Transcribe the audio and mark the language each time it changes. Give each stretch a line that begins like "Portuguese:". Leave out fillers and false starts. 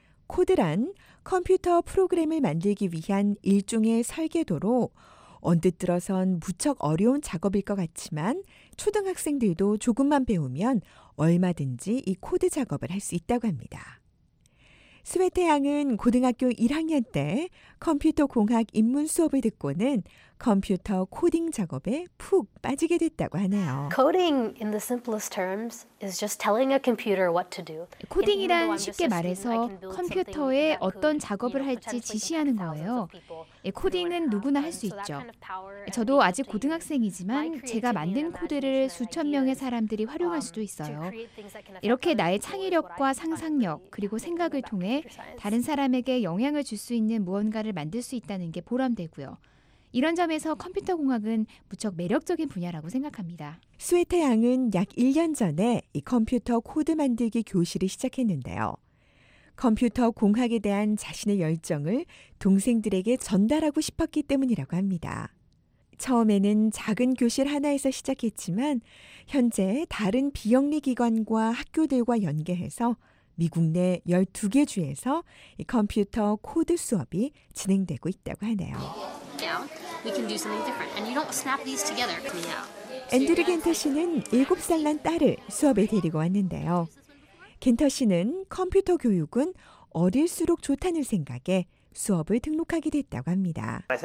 Korean: 코드란 컴퓨터 프로그램을 만들기 위한 일종의 설계도로 언뜻 들어선 무척 어려운 작업일 것 같지만 초등학생들도 조금만 배우면 얼마든지 이 코드 작업을 할 수 있다고 합니다. 스웨테 양은 고등학교 1학년 때 컴퓨터 공학 입문 수업을 듣고는 컴퓨터 코딩 작업에 푹 빠지게 됐다고 하네요.
English: Coding in the simplest terms is just telling a computer what to do.
Korean: 코딩이란 쉽게 말해서 컴퓨터에 어떤 작업을 할지 지시하는 거예요. 코딩은 누구나 할 수 있죠. 저도 아직 고등학생이지만 제가 만든 코드를 수천 명의 사람들이 활용할 수도 있어요. 이렇게 나의 창의력과 상상력 그리고 생각을 통해 다른 사람에게 영향을 줄 수 있는 무언가를 만들 수 있다는 게 보람되고요. 이런 점에서 컴퓨터 공학은 무척 매력적인 분야라고 생각합니다. 스웨타 양은 약 1년 전에 이 컴퓨터 코드 만들기 교실을 시작했는데요. 컴퓨터 공학에 대한 자신의 열정을 동생들에게 전달하고 싶었기 때문이라고 합니다. 처음에는 작은 교실 하나에서 시작했지만 현재 다른 비영리 기관과 학교들과 연계해서 미국 내 12개 주에서 이 컴퓨터 코드 수업이 진행되고 있다고 하네요.
English: Now we can do something different and you don't snap these together coming out.
Korean: 앤드류 겐터 씨는 7살 난 딸을 수업에 데리고 왔는데요. 겐터 씨는 컴퓨터 교육은 어릴수록 좋다는 생각에 수업을 등록하게 됐다고 합니다.